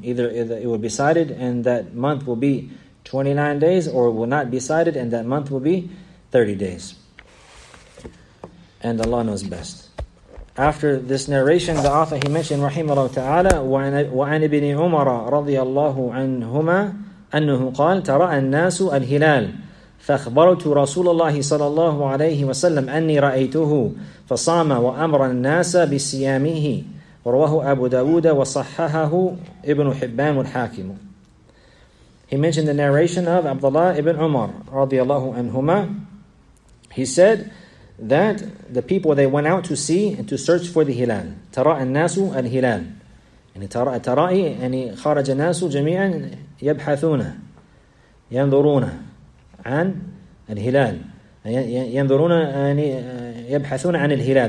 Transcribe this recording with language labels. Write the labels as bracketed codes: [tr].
[en] Either it will be sighted and that month will be 29 days, or it will not be sighted and that month will be 30 days. And Allah knows best. After this narration, the author, he mentioned, [ar] رَحِمَ تَعَالَى وَعَنِ بِنِ عُمَرَ رَضِيَ اللَّهُ عَنْهُمَا أَنُّهُ قَالَ تَرَأَ النَّاسُ الْهِلَالِ فَأَخْبَرْتُ رَسُولَ اللَّهِ صَلَى اللَّهُ عَلَيْهِ وَسَلَّمَ أَنِّي رَأَيْتُهُ فَصَامَ وَأَمْرَ النَّاسَ بِسِيَامِهِ رَوَهُ أَبُو دَاوُدَ وَصَحَّهَهُ إِبْنُ حِبَّانُ الْحَاكِمُ. [en] He mentioned the narration of Abdullah ibn Umar رَضِيَ اللَّهُ عَنْهُمَا. He said that the people, they went out to see and to search for the hilal. [ar] تَرَأَ النَّاسُ الْهِلَالِ. And تَرَأَ خَارَجَ النَّاسُ جَمِيعًا يَبْحَثُونَ يَنْظُرُونَ عَنْ الْهِلَالِ يَنْظُرُونَ يَبْحَثُونَ عَنِ الْهِلَالِ.